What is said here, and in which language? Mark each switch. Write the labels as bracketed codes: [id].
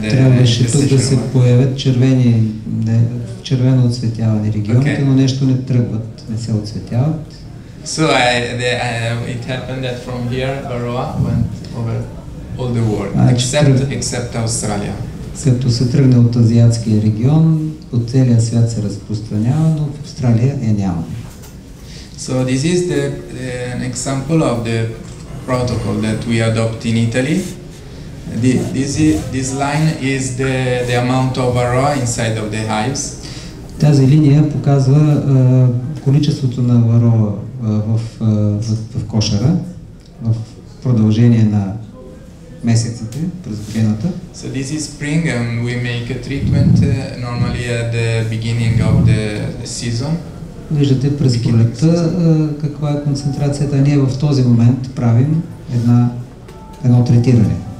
[bg] трябваше тук да се появят червени, не, червено оцветяване регионите, okay. Но нещо не тръгват, не се оцветяват. [en] So it happened that from here Varroa went over all the world, except Australia. [bg] Като се тръгне от азиатския регион, от целия свят се разпространява, но в Австралия е няма. [en] So this is the an example of the protocol that we adopt in Italy. This line is the amount of varroa inside of the hives. [bg] Тази линия показва количеството на варроа в кошера в продължение на месеците през годината. [en] So this is spring and we make a treatment normally at the beginning of the season. [bg] Виждате през пролетта каква е концентрацията. Ние в този момент правим едно третиране.